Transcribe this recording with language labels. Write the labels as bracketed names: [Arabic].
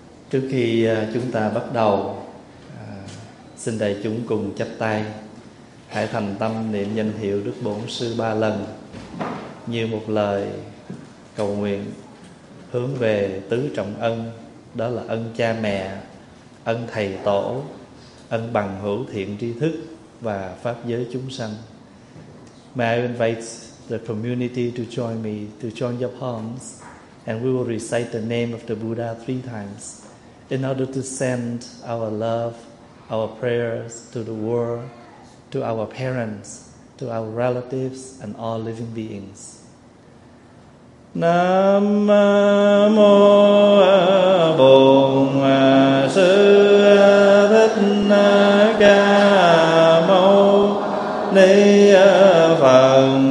[Vietnamese] Trước khi chúng ta bắt đầu, xin đại chúng cùng chắp tay, hãy thành tâm niệm danh hiệu Đức Bổn Sư ba lần như một lời cầu nguyện hướng về tứ trọng ân, đó là ân cha mẹ, ân thầy tổ, ân bằng hữu thiện tri thức và pháp giới chúng sanh. [English] May I invite the community to join me, to join your palms, and we will recite the name of the Buddha three times in order to send our love, our prayers to the world, to our parents, to our relatives, and all living beings. [Vietnamese] Nam mô Bổn Sư Thích Ca Mâu Ni Phật.